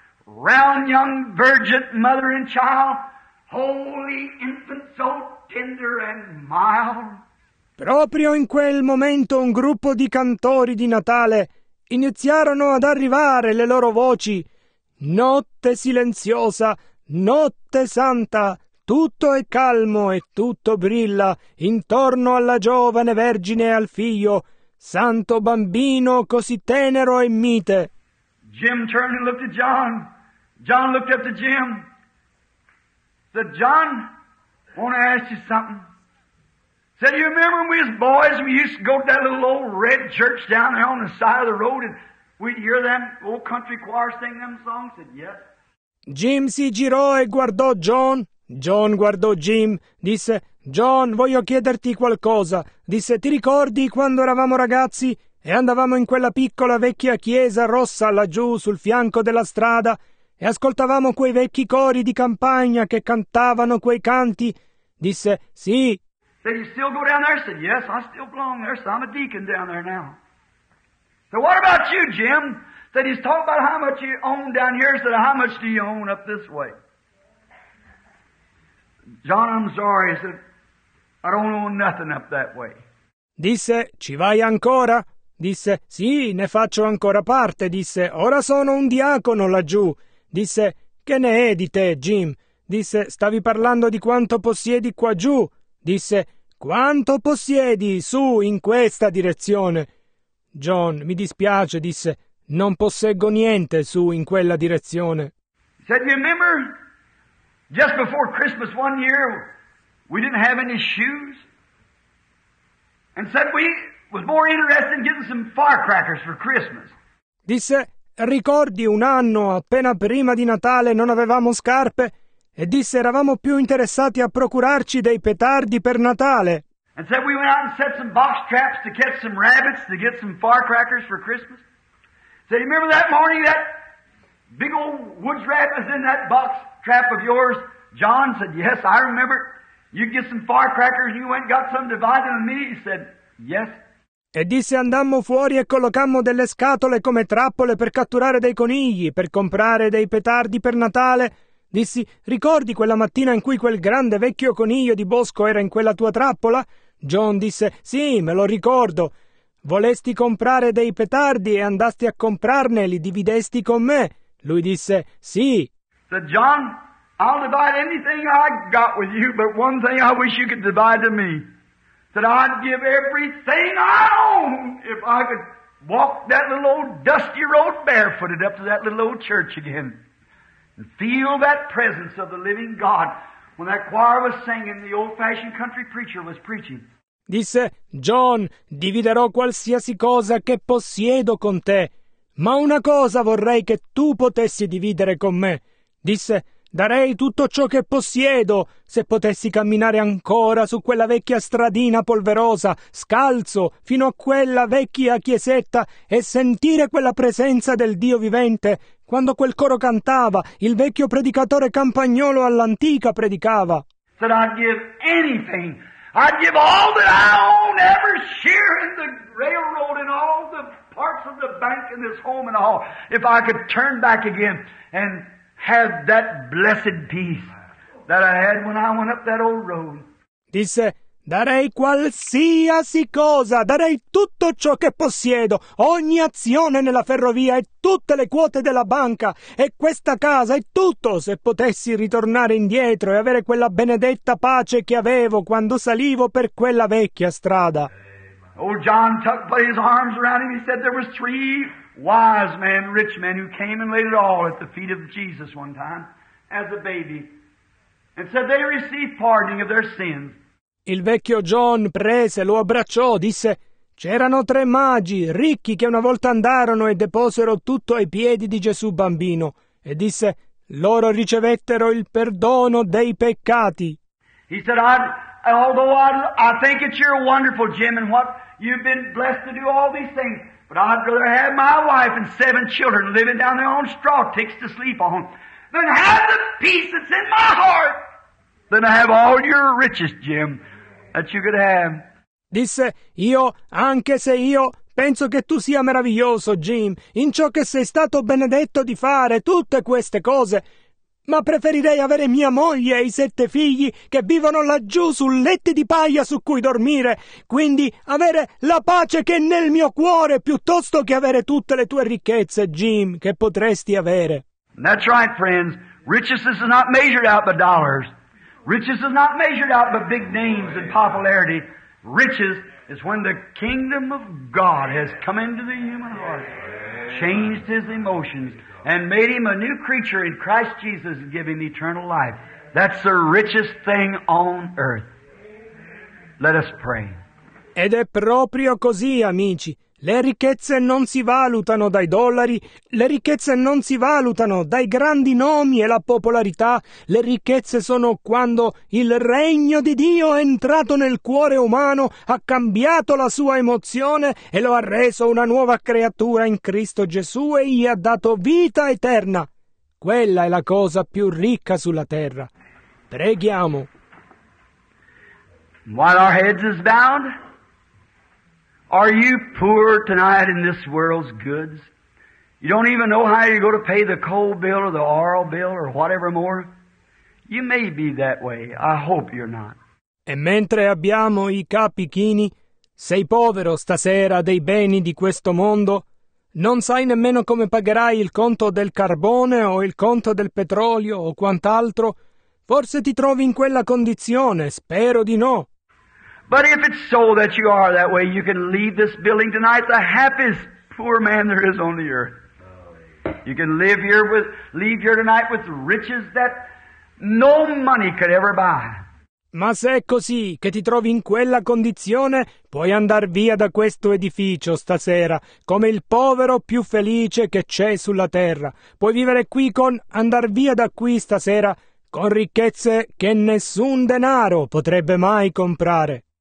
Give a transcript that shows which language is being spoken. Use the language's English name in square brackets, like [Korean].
[English] Round young virgin, mother and child, holy infant so tender and mild. [Italian] Proprio in quel momento un gruppo di cantori di Natale iniziarono ad arrivare le loro voci. Notte silenziosa, notte santa, tutto è calmo e tutto brilla intorno alla giovane vergine e al figlio, santo bambino così tenero e mite. [English] Jim turned and looked at John. John looked up to Jim, said, John, I want to ask you something. Said, you remember when we was boys, we used to go to that little old red church down there on the side of the road, and we'd hear them old country choir sing them songs? Said, yes. [Italian] Jim si girò e guardò John. John guardò Jim. Disse, John, voglio chiederti qualcosa. Disse, ti ricordi quando eravamo ragazzi e andavamo in quella piccola vecchia chiesa rossa laggiù sul fianco della strada e ascoltavamo quei vecchi cori di campagna che cantavano quei canti? Disse, sì. [English] Did you still go down there? I said, yes, I still belong there, so I'm a deacon down there now. So what about you, Jim? Said he's talking about how much you own down here. Said, how much do you own up this way? John, I'm sorry. I said, I don't own nothing up that way. [Italian] Disse, ci vai ancora? Disse, sì, ne faccio ancora parte. Disse, ora sono un diacono laggiù. Disse, che ne è di te, Jim? Disse, stavi parlando di quanto possiedi qua giù. Disse, quanto possiedi su in questa direzione? John, mi dispiace, disse, non posseggo niente su in quella direzione. [English] Said, you remember, just before Christmas one year, we didn't have any shoes. And said, we was more interested in getting some firecrackers for Christmas. [Italian] Disse, ricordi un anno appena prima di Natale non avevamo scarpe? E disse, eravamo più interessati a procurarci dei petardi per Natale. [English] And said we went out and set some box traps to catch some rabbits to get some firecrackers for Christmas. Said, you remember that morning that big old woods rabbit was in that box trap of yours? John said, yes, I remember. You get some firecrackers and you went and got some divided with me. He said, yes. [Italian] E disse, andammo fuori e collocammo delle scatole come trappole per catturare dei conigli, per comprare dei petardi per Natale. Dissi, ricordi quella mattina in cui quel grande vecchio coniglio di bosco era in quella tua trappola? John disse, sì, me lo ricordo. Volesti comprare dei petardi e andasti a comprarne e li dividesti con me? Lui disse, sì. [English] Said, John, I'll divide anything I got with you, but one thing I wish you could divide to me. Said, I'd give everything I own if I could walk that little old dusty road barefooted up to that little old church again. And feel that presence of the living God when that choir was singing, the old-fashioned country preacher was preaching. [Italian] Disse, John, dividerò qualsiasi cosa che possiedo con te, ma una cosa vorrei che tu potessi dividere con me. Disse, darei tutto ciò che possiedo se potessi camminare ancora su quella vecchia stradina polverosa, scalzo, fino a quella vecchia chiesetta e sentire quella presenza del Dio vivente. Quando quel coro cantava, il vecchio predicatore campagnolo all'antica predicava. [English] Said, I'd give anything. I'd give all that I own, every share in the railroad and all the parts of the bank in this home and all, if I could turn back again and have that blessed peace that I had when I went up that old road. [Italian] Disse, darei qualsiasi cosa, darei tutto ciò che possiedo, ogni azione nella ferrovia e tutte le quote della banca e questa casa e tutto se potessi ritornare indietro e avere quella benedetta pace che avevo quando salivo per quella vecchia strada. [English] Old John put his arms around him. He said there was three wise men, rich men, who came and laid it all at the feet of Jesus one time as a baby and said they received pardoning of their sins. [Italian] Il vecchio John prese, lo abbracciò, disse, c'erano tre magi, ricchi, che una volta andarono e deposero tutto ai piedi di Gesù bambino. E disse, loro ricevettero il perdono dei peccati. [English] He said, I think it's your wonderful, Jim, and what you've been blessed to do all these things, but I'd rather have my wife and seven children living down there on straw ticks to sleep on than have the peace that's in my heart. Then I have all your riches, Jim, that you could have. [Italian] Disse, io, anche se io, penso che tu sia meraviglioso, Jim, in ciò che sei stato benedetto di fare, tutte queste cose, ma preferirei avere mia moglie e i sette figli che vivono laggiù su letti di paglia su cui dormire, quindi avere la pace che è nel mio cuore, piuttosto che avere tutte le tue ricchezze, Jim, che potresti avere. [English] That's right, friends. Riches is not measured out by dollars. Riches is not measured out by big names and popularity. Riches is when the kingdom of God has come into the human heart, changed his emotions, and made him a new creature in Christ Jesus and give him eternal life. That's the richest thing on earth. Let us pray. [Italian] Ed è proprio così, amici. Le ricchezze non si valutano dai dollari, le ricchezze non si valutano dai grandi nomi e la popolarità, le ricchezze sono quando il regno di Dio è entrato nel cuore umano, ha cambiato la sua emozione e lo ha reso una nuova creatura in Cristo Gesù e gli ha dato vita eterna. Quella è la cosa più ricca sulla terra. Preghiamo. [English] While our heads is bound, are you poor tonight in this world's goods? You don't even know how you're going to pay the coal bill or the oil bill or whatever more? You may be that way. I hope you're not. [Italian] E mentre abbiamo i capi chini, sei povero stasera dei beni di questo mondo? Non sai nemmeno come pagherai il conto del carbone o il conto del petrolio o quant'altro? Forse ti trovi in quella condizione, spero di no. [English] But if it's so that you are that way, you can leave this building tonight, the happiest poor man there is on the earth. You can live here with, leave here tonight with riches that no money could ever buy. [Italian] Ma se è così che ti trovi in quella condizione, puoi andar via da questo edificio stasera, come il povero più felice che c'è sulla terra. Puoi vivere qui con andar via da qui stasera, con ricchezze che nessun denaro potrebbe mai comprare.